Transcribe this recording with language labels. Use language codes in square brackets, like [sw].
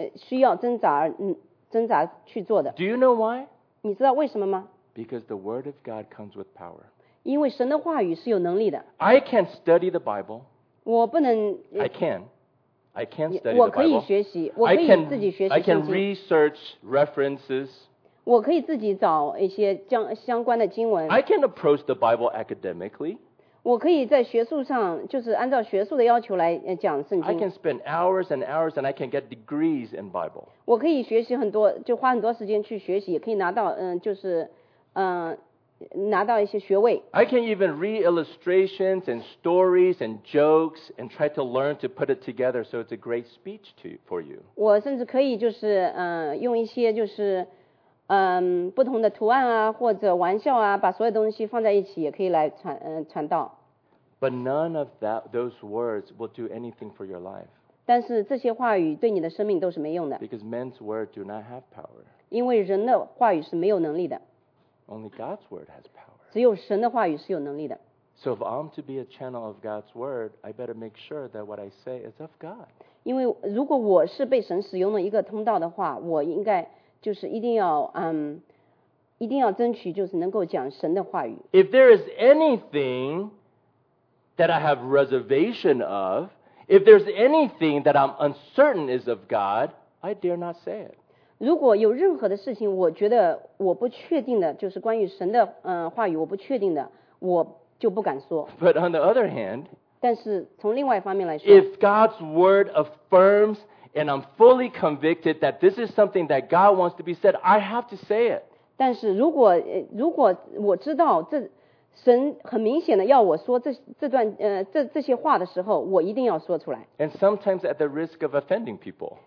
[zh] 这应该是每一个传道人所需要挣扎去做的。 [en] Do you know why? [zh] 你知道为什么吗？ [en] Because the word of God comes with power. [zh] 因为神的话语是有能力的。 [en] I can study the Bible. [zh] 我不能。 [en] I can study [zh] 我可以学习, [en] the Bible. [zh] 我可以自己学习圣经。 [en] I can research references. [zh] 我可以自己找一些相关的经文。 [en] I can approach the Bible academically. [zh] 我可以在学术上就是按照学术的要求来讲圣经。 [en] I can spend hours and hours and I can get degrees in Bible. [zh] 我可以学习很多，就花很多时间去学习，也可以拿到就是。拿到一些学位。 [en] I can even read illustrations and stories and jokes and try to learn to put it together so it's a great speech to, for you. [zh] 我甚至可以就是用一些就是不同的图案啊或者玩笑啊把所有东西放在一起也可以来 传道。 [en] But none of that, those words will do anything for your life. [zh] 但是这些话语对你的生命都是没用的。 [en] Because men's words do not have power. [zh] 因为人的话语是没有能力的。 [en] Only God's word has power. [zh] 只有神的话语是有能力的。 [en] So if I'm to be a channel of God's word, I better make sure that what I say is of God. [zh] 因为如果我是被神使用的一个通道的话，我应该就是一定要一定要争取就是能够讲神的话语。 [en] If there is anything that I have reservation of, if there's anything that I'm uncertain is of God, I dare not say it. [zh] 如果有任何的事情我觉得我不确定的就是关于神的话语我不确定的我就不敢说。 [en] But on the other hand, [zh] 但是从另外一方面来说 [en] if God's word affirms and I'm fully convicted that this is something that God wants to be said, I have to say it. [zh] 但是如果我知道这神很明显的要我说 这些话的时候我一定要说出来 [en] and sometimes at the risk of offending people